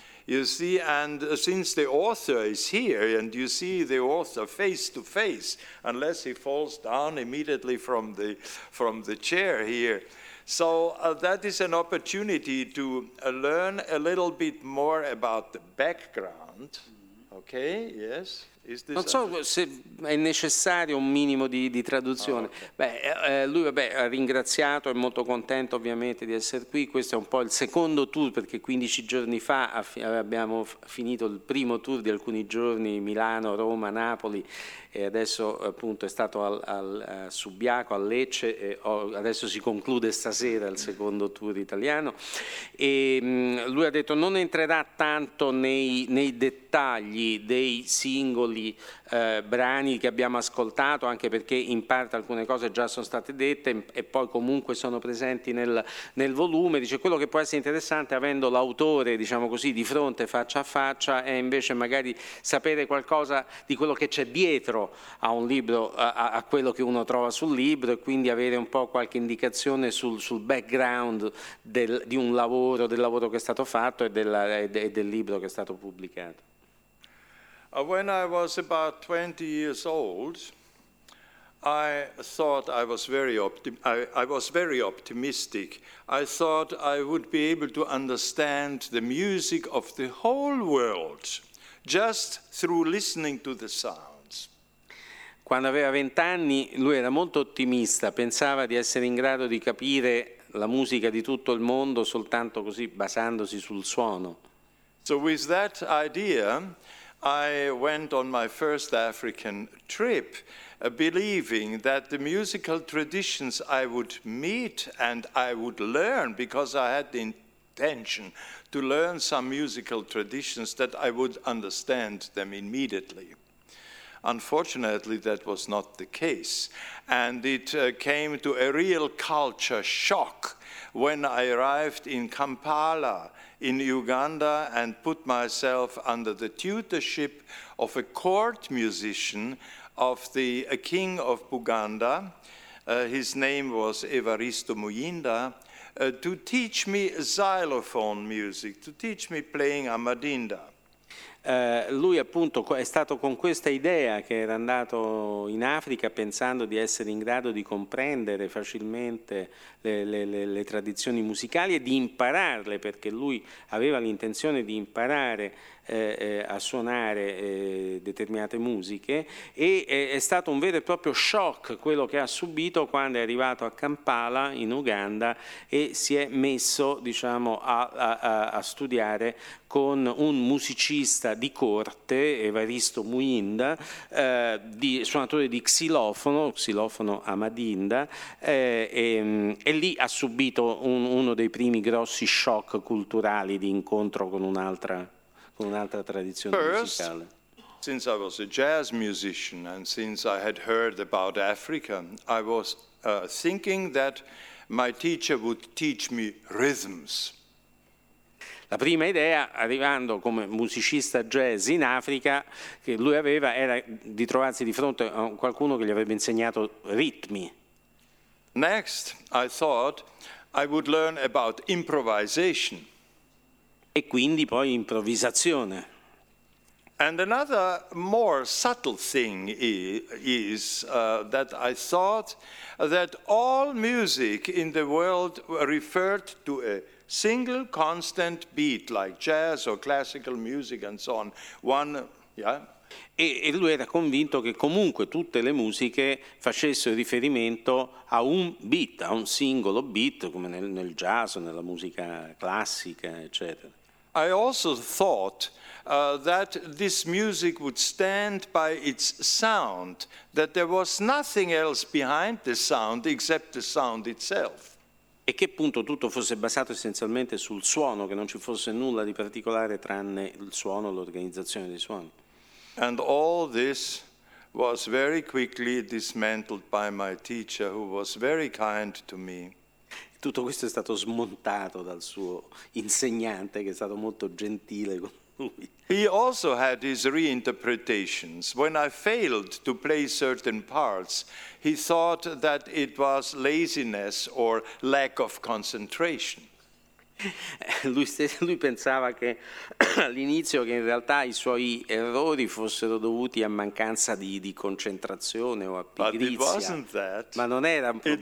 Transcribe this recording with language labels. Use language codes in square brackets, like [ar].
[en] You see, and since the author is here, and you see the author face to face, unless he falls down immediately from the chair here. So that is an opportunity to learn a little bit more about the background. Okay, yes. [it] Non so se è necessario un minimo di traduzione. [en] Oh, okay. [it] Lui ha ringraziato, è molto contento ovviamente di essere qui. Questo è un po' il secondo tour, perché 15 giorni fa abbiamo finito il primo tour di alcuni giorni, Milano, Roma, Napoli, e adesso appunto è stato a Subiaco, a Lecce, e adesso si conclude stasera il secondo tour italiano. E lui ha detto non entrerà tanto nei dettagli dei singoli brani che abbiamo ascoltato, anche perché in parte alcune cose già sono state dette e poi comunque sono presenti nel volume. Dice quello che può essere interessante, avendo l'autore, diciamo così, di fronte, faccia a faccia, è invece magari sapere qualcosa di quello che c'è dietro a un libro, a quello che uno trova sul libro, e quindi avere un po' qualche indicazione sul background del lavoro che è stato fatto e del libro che è stato pubblicato. [en] When I was about 20 years old, I thought I was very optimistic. I thought I would be able to understand the music of the whole world just through listening to the sounds. [it] Quando aveva 20 anni, lui era molto ottimista, pensava di essere in grado di capire la musica di tutto il mondo soltanto così, basandosi sul suono. [en] So with that idea, I went on my first African trip, believing that the musical traditions I would meet and I would learn, because I had the intention to learn some musical traditions, that I would understand them immediately. Unfortunately, that was not the case. And it came to a real culture shock when I arrived in Kampala, in Uganda, and put myself under the tutorship of a court musician of the king of Buganda, his name was Evaristo Muyinda, to teach me xylophone music, to teach me playing amadinda. [it] Lui appunto è stato con questa idea che era andato in Africa pensando di essere in grado di comprendere facilmente le tradizioni musicali e di impararle, perché lui aveva l'intenzione di imparare a suonare determinate musiche, e è stato un vero e proprio shock quello che ha subito quando è arrivato a Kampala in Uganda e si è messo, diciamo, a studiare con un musicista di corte, Evaristo Muyinda, di suonatore di xilofono amadinda, e lì ha subito uno dei primi grossi shock culturali di incontro con un'altra tradizione musicale. [en] Since I was a jazz musician and since I had heard about Africa, I was thinking that my teacher would teach me rhythms. [it] La prima idea, arrivando come musicista jazz in Africa, che lui aveva, era di trovarsi di fronte a qualcuno che gli avrebbe insegnato ritmi. [en] Next, I thought I would learn about improvisation. [it] E quindi poi improvvisazione. [en] And another more subtle thing is that I thought that all music in the world referred to a single constant beat, like jazz or classical music and so on, one, Yeah? [it] E lui era convinto che comunque tutte le musiche facessero riferimento a un beat, a un singolo beat, come nel jazz, nella musica classica, eccetera. [en] I also thought that this music would stand by its sound, that there was nothing else behind the sound except the sound itself. [it] E che appunto tutto fosse basato essenzialmente sul suono, che non ci fosse nulla di particolare tranne il suono, l'organizzazione dei suoni. [en] And all this was very quickly dismantled by my teacher, who was very kind to me. [it] Tutto questo è stato smontato dal suo insegnante, che è stato molto gentile con lui. [en] He also had his reinterpretations. When I failed to play certain parts, he thought that it was laziness or lack of concentration. [it] Lui pensava che all'inizio che in realtà i suoi errori fossero dovuti a mancanza di concentrazione o a pigrizia, ma non era un problema.